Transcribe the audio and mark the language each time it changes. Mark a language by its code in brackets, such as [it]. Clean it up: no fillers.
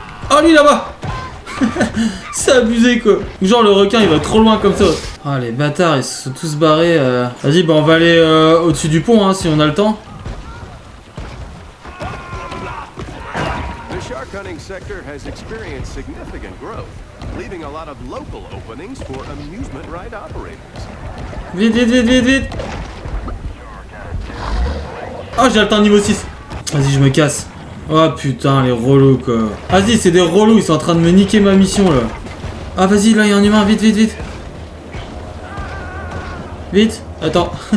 [fr] Oh lui là-bas. C'est abusé quoi. Genre le requin il va trop loin comme ça. Ah les bâtards ils se sont tous barrés. Vas-y bah on va aller au-dessus du pont hein, si on a le temps. [en] The shark hunting sector has experienced significant growth, leaving a lot of local openings for amusement ride operators. [fr] Vite vite vite vite vite. Ah oh, j'ai atteint niveau 6. Vas-y je me casse. Oh putain les relous quoi. Vas-y c'est des relous, ils sont en train de me niquer ma mission là. Ah vas-y là il y a un humain, vite vite vite. Vite, attends.